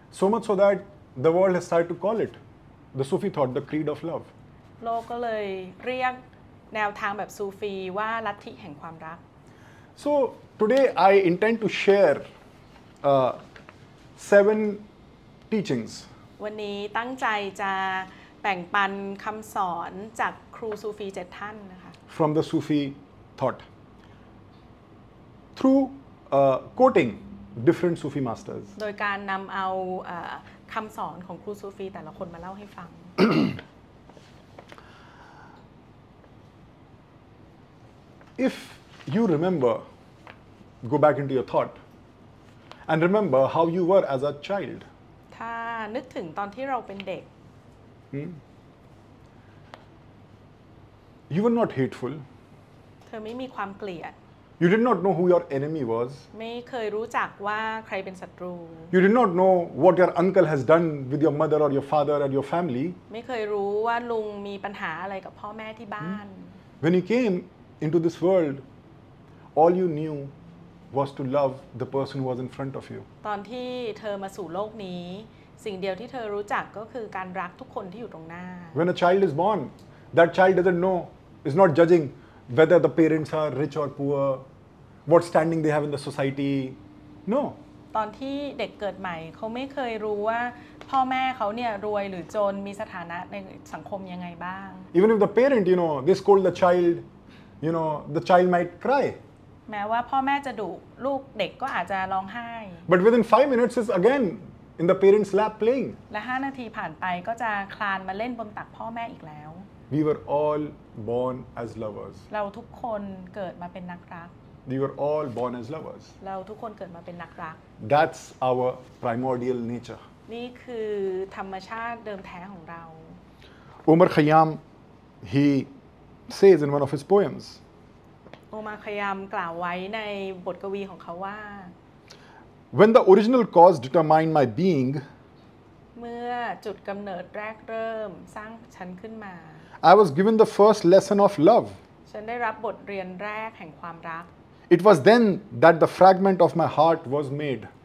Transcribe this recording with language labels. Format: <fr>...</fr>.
<en>So much so that the world has started to call it the Sufi thought the creed of love</en> <th>โลกก็เลยเรียกแนวทางแบบซูฟีว่าลัทธิแห่งความรัก</th> <en>So today I intend to share seven teachings</en> <th>วันนี้ตั้งใจจะแบ่งปันคำสอนจากครูซูฟี7ท่านนะคะ</th> <en>From the Sufi thoughtthrough quoting different Sufi masters</en> <th>โดยการนำเอาคำสอนของครูซูฟีแต่ละคนมาเล่าให้ฟัง</th> <en>If you remember go back into your thought and remember how you were as a child</en> <th>ถ้านึกถึงตอนที่เราเป็นเด็ก</th> <en>You were not hateful</en> <th>เธอไม่มีความเกลียด</th> <en>You did not know who your enemy was.</en> <th>ไม่เคยรู้จักว่าใครเป็นศัตรู</th> <en>You did not know what your uncle has done with your mother or your father and your family.</en> <th>ไม่เคยรู้ว่าลุงมีปัญหาอะไรกับพ่อแม่ที่บ้าน</th> <en>When you came into this world, all you knew was to love the person who was in front of you.</en> <th>ตอนที่เธอมาสู่โลกนี้สิ่งเดียวที่เธอรู้จักก็คือการรักทุกคนที่อยู่ตรงหน้า</th> <en>When a child is born, that child doesn't know, is not judging. Whether the parents are rich or poor, what standing they have in the society, no.</en> <th>ตอนที่เด็กเกิดใหม่เขาไม่เคยรู้ว่าพ่อแม่เขาเนี่ยรวยหรือจนมีสถานะในสังคมยังไงบ้าง</th> <en>Even if the parent, you know, they scold the child, you know, the child might cry.</en> <th>แม้ว่าพ่อแม่จะดุลูกเด็กก็อาจจะร้องไห้</th> <en>But within 5 minutes, it's again in the parents' lap playing.</en> <th>และ5 นาทีผ่านไปก็จะคลานมาเล่นบนตักพ่อแม่อีกแล้ว</th> <en>We were all born as lovers.</en> <th>เราทุกคนเกิดมาเป็นนักรัก</th> <en>We were all born as lovers.</en> <th>เราทุกคนเกิดมาเป็นนักรัก</th> <en>That's our primordial nature.</en> <th>นี่คือธรรมชาติเดิมแท้ของเรา</th> <en>Umar Khayyam he says in one of his poems.</en> <th>Umar Khayyam กล่าวไว้ในบทกวีของเขาว่า</th> <en>When the original cause determined my being.</en> <th>เมื่อจุดกำเนิดแรกเริ่มสร้างฉันขึ้นมา</th> <en>I was given the first lesson of love.</en> <th>ฉันได้รับบทเรียนแรกแห่งความรัก</th> <en>It was then that the fragment of my heart was made.</en>